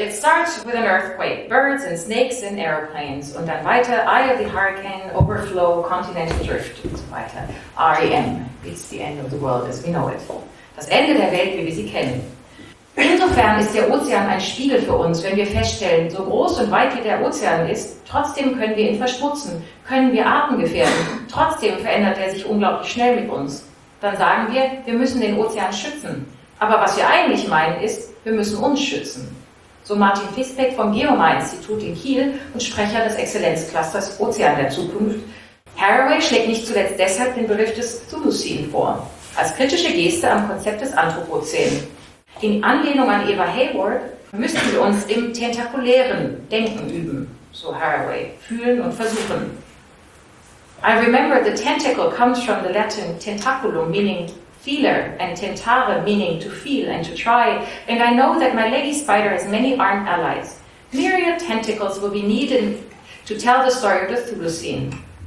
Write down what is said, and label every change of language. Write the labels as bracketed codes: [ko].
[en] It starts with an earthquake, birds and snakes and aeroplanes. [de] Und dann weiter, Eye of the Hurricane, Overflow, Continental Drift und so weiter. [en] R.E.M. It's the end of the world as we know it. [de] Das Ende der Welt, wie wir sie kennen. Insofern ist der Ozean ein Spiegel für uns, wenn wir feststellen, so groß und weit wie der Ozean ist, trotzdem können wir ihn verschmutzen, können wir Arten gefährden, trotzdem verändert er sich unglaublich schnell mit uns. Dann sagen wir müssen den Ozean schützen. Aber was wir eigentlich meinen ist, wir müssen uns schützen. So Martin Fisbeck vom Geomar-Institut in Kiel und Sprecher des Exzellenzclusters Ozean der Zukunft. Haraway schlägt nicht zuletzt deshalb den Begriff des Thuluscene vor, als kritische Geste am Konzept des Anthropozän. In Anlehnung an Eva Hayward müssen wir uns im tentakulären Denken üben, so Haraway, fühlen und versuchen. [en] I remember the tentacle comes from the Latin tentaculum, meaning feeler, and tentare, meaning to feel and to try, and I know that my lady spider has many armed allies. Myriad tentacles will be needed to tell the story of the Thule scene.